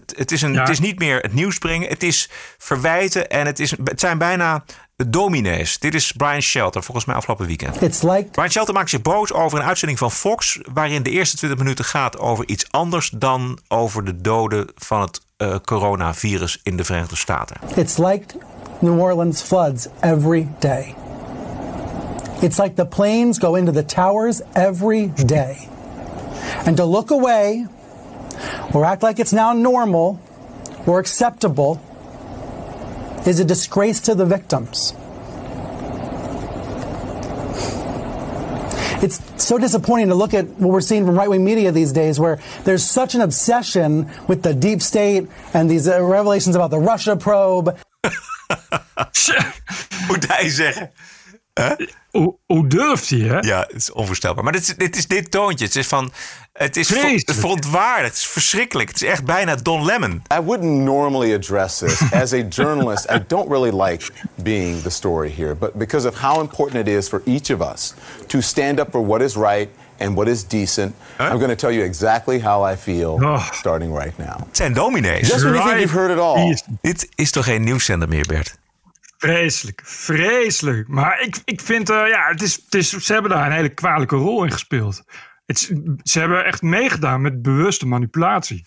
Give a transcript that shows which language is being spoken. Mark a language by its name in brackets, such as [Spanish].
[Dutch] Het is niet meer het nieuws brengen. Het is verwijten en het zijn bijna dominees. Dit is Brian Shelter, volgens mij afgelopen weekend. [English] It's like... [Dutch] Brian Shelter maakt zich boos over een uitzending van Fox, waarin de eerste 20 minuten gaat over iets anders dan over de doden van het coronavirus in de Verenigde Staten. [English] It's like New Orleans floods every day. It's like the planes go into the towers every day. And to look away or act like it's now normal or acceptable is a disgrace to the victims. It's so disappointing to look at what we're seeing from right-wing media these days, where there's such an obsession with the deep state and these revelations about the Russia probe. [Dutch] Moet hij zeggen? Hoe durft hij, hè? Ja, het is onvoorstelbaar. Maar dit is dit toontje. Het is van, het is verontwaardigd. Het is verschrikkelijk. Het is echt bijna Don Lemon. [English] I wouldn't normally address this. As a journalist, I don't really like being the story here. But because of how important it is for each of us to stand up for what is right and what is decent, huh? I'm going to tell you exactly how I feel starting right now. [Dutch] Het zijn dominees. [English] Just when you think you've heard it all. [Dutch] Dit is toch geen nieuwszender meer, Bert? Vreselijk, vreselijk. Maar ik vind, ze hebben daar een hele kwalijke rol in gespeeld. Ze hebben echt meegedaan met bewuste manipulatie.